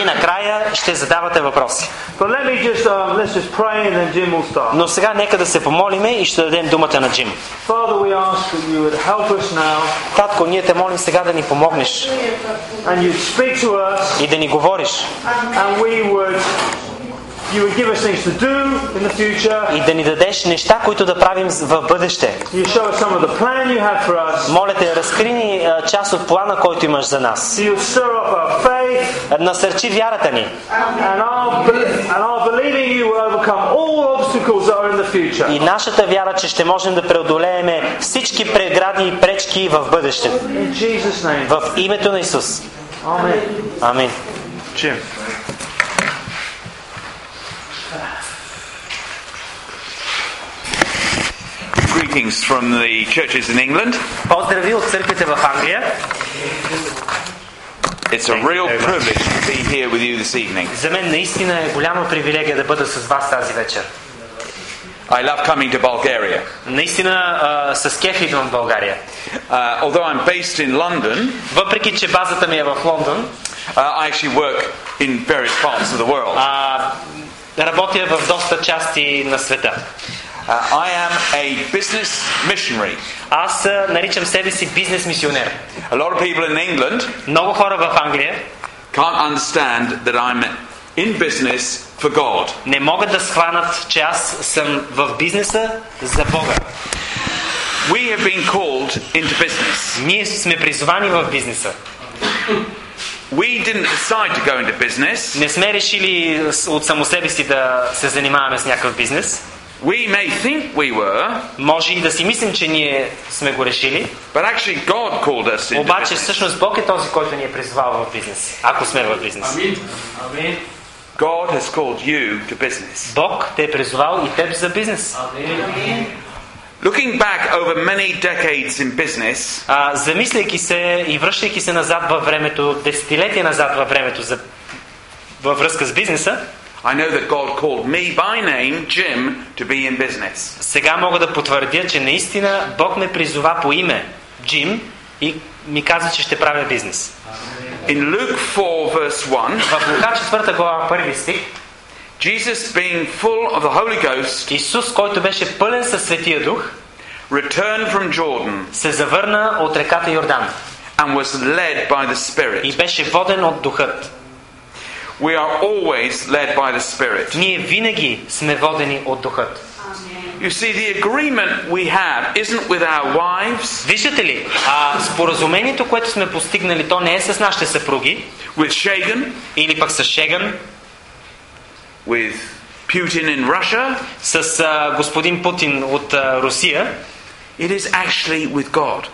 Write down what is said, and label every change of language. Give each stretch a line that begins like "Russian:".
Bulgarian: И накрая ще задавате въпроси.
English: But let's just pray and then Jim will start.
Bulgarian: Но сега нека да се помолиме и ще дадем думата на Джим.
English: Father, we ask that you would help us now.
Bulgarian: Татко, ние те молим сега да ни помогнеш.
English: And you'd speak to us.
Bulgarian: И да ни говориш.
English: And we would. You would give us things to do in the future.
Bulgarian: И да ни дадеш неща, които да правим в бъдеще.
English: You show us some of the plan you have for us.
Bulgarian: Моля те, разкри ни част от плана, който имаш за нас.
English: You stir up our faith.
Bulgarian: Насърчи вярата ни.
English: And our believing you will overcome all obstacles that are in the future.
Bulgarian: И нашата вяра, че ще можем да преодолееме всички прегради и пречки в бъдеще.
English: In Jesus name.
Bulgarian: В името на Исус.
English: Amen. Amen. Jim. Greetings from the churches in England.
Bulgarian: Поздрави от църквите в Англия.
English: It's a real privilege to be here with you this evening.
Bulgarian: За мен наистина е голяма привилегия да бъда с вас тази вечер.
English: I love coming to Bulgaria.
Bulgarian: Наистина с кеф идвам в България.
English: Although I'm based in London,
Bulgarian: въпреки че базата ми е в Лондон,
English: I actually work in various parts of the world.
Bulgarian: Работя в доста части на света.
English: I am a business missionary.
Bulgarian: Аз наричам себе си бизнес мисионер.
English: A lot of people in England.
Bulgarian: Много хора в Англия.
English: Can't understand that I'm in business for God.
Bulgarian: Не могат да схванат, че аз съм в бизнеса за Бога.
English: We have been called into business.
Bulgarian: Ние сме призвани в бизнеса.
English: We didn't decide to go into business.
Bulgarian: Не сме решили от само себе си да се занимаваме с някакъв бизнес.
English: We may think we were.
Bulgarian: Може и да си мислим, че ние сме го решили.
English: But actually God called us into.
Bulgarian: Обаче всъщност Бог е този, който ни е призвал в бизнес. Ако сме в бизнес. Амин.
English: God has called you to business.
Bulgarian: Бог те е призвал и теб за бизнес. Амин.
English: Looking back over many decades in business,
Bulgarian: замисляйки се и връщайки се назад във времето, десетилетия назад във времето за във връзка с бизнеса,
English: I know that God called me by name, Jim, to be in business.
Bulgarian: Сега мога да потвърдя, че наистина Бог ме призова по име Джим и ми каза, че ще правя бизнес.
English: In Luke 4 verse 1,
Bulgarian: в Лука 4 глава 1 стих,
English: Jesus being full of the Holy Ghost,
Bulgarian: Исус, който беше пълен със Светия Дух,
English: returned from Jordan,
Bulgarian: се завърна от реката Йордан,
English: and was led by the Spirit.
Bulgarian: И беше воден от Духът.
English: We are always led by the Spirit.
Bulgarian: Ние винаги сме водени от Духът.
English: You see, the agreement we have isn't with our wives.
Bulgarian: Виждате ли, споразумението, което сме постигнали, то не е с нашите съпруги.
English: With Shagan.
Bulgarian: Или пък с Шеган.
English: With Putin in Russia.
Bulgarian: С господин Путин от Русия.
English: It is actually with God.